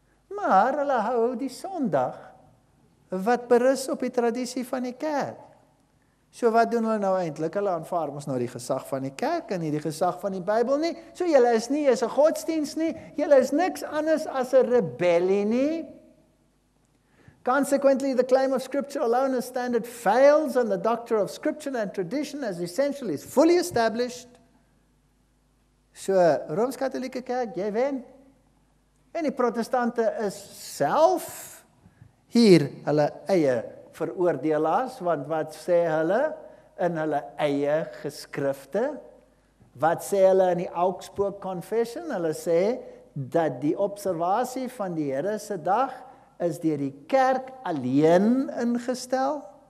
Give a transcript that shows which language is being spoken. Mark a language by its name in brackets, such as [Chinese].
[Afrikaans] Maar hulle hou die Sondag wat berus op die traditie van die kerk. So wat doen hulle nou eintlik? Hulle aanvaar ons nou die gesag van die kerk en nie die gesag van die Bybel nie. So julle is nie eens 'n godsdienst nie. Julle is niks anders as 'n rebellie nie. [English] Consequently, the claim of Scripture alone as standard fails and the doctrine of Scripture and tradition as essentially is fully established. [Afrikaans] So, Rooms-Katholieke kerk, jy wen. En die protestante is self hier hulle eie veroordelaars, want wat sê hulle in hulle eie geskrifte? Wat sê hulle in die Augsburg Confession? Hulle sê dat die observasie van die Here se dag is deur die kerk alleen ingestel.